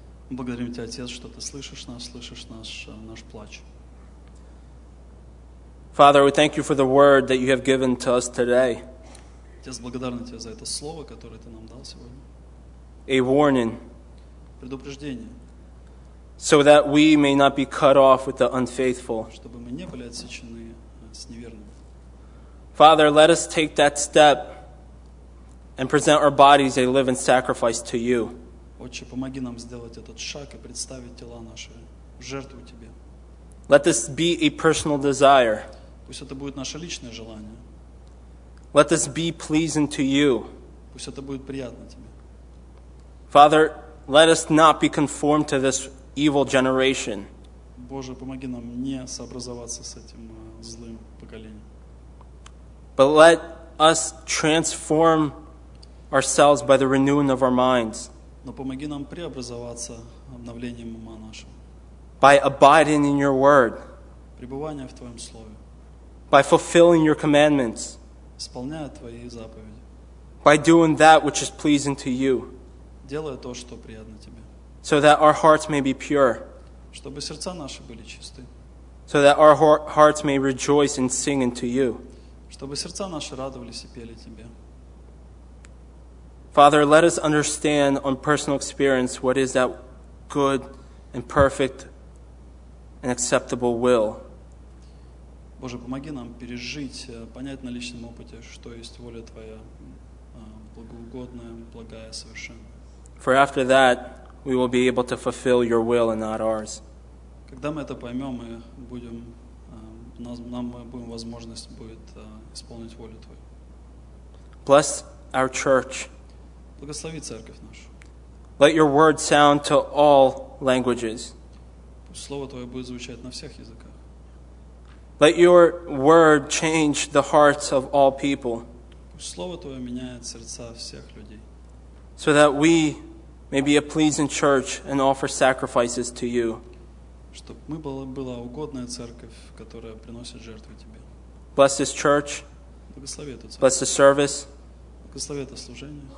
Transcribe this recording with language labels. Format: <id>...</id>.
<ru>Благодарим тебя, Отец, что ты слышишь наш плач.</ru> <en>Father, we thank you for the word that you have given to us today.</en> <ru>Отец, благодарен тебе за это слово, которое ты нам дал сегодня.</ru> <en>A warning.</en> <ru>Предупреждение.</ru> <en>So that we may not be cut off with the unfaithful.</en> <ru>Чтобы мы не были отсечены с неверными.</ru> <en>Father, let us take that step and present our bodies a living sacrifice to you.</en> <ru>Отче, помоги нам сделать этот шаг и представить тела наши в жертву тебе.</ru> <en>Let this be a personal desire.</en> <ru>Пусть это будет наше личное желание.</ru> <en>Let this be pleasing to you.</en> <ru>Пусть это будет приятно тебе.</ru> <en>Father, let us not be conformed to this evil generation.</en> <ru>Боже, помоги нам не сообразоваться с этим злым поколением.</ru> <en>But let us transform ourselves by the renewing of our minds.</en> <ru>Но помоги нам преобразоваться обновлением ума нашего.</ru> <en>By abiding in your word.</en> <ru>Пребывание в твоем слове.</ru> <en>By fulfilling your commandments.</en> <ru>Исполняя твои заповеди.</ru> <en>By doing that which is pleasing to you.</en> <ru>Делая то, что приятно тебе.</ru> <en>So that our hearts may be pure.</en> <ru>Чтобы сердца наши были чисты.</ru> <en>So that our hearts may rejoice and sing unto you.</en> <ru>Чтобы сердца наши радовались и пели тебе.</ru> <en>Father, let us understand on personal experience what is that good and perfect and acceptable will.</en> <ru>Боже, помоги нам пережить, понять на личном опыте, что есть воля твоя, благоугодная, благая, совершенная.</ru> <en>For after that, we will be able to fulfill your will and not ours.</en> <ru>Когда мы это поймем, мы будем, нам будет возможность будет исполнить волю твою.</ru> <en>Bless our church.</en> <ru>Благослови церковь нашу.</ru> <en>Let your word sound to all languages.</en> <ru>Пусть слово твое будет звучать на всех языках.</ru> <en>Let your word change the hearts of all people.</en> <ru>Слово Твое меняет сердца всех людей.</ru> <en>So that we may be a pleasing church and offer sacrifices to you.</en> <ru>Чтоб мы была угодная церковь, которая приносит жертвы тебе.</ru> <en>Bless this church.</en> <ru>Благослови эту церковь.</ru> <en>Bless the service.</en> <ru>Благослови это служение.</ru>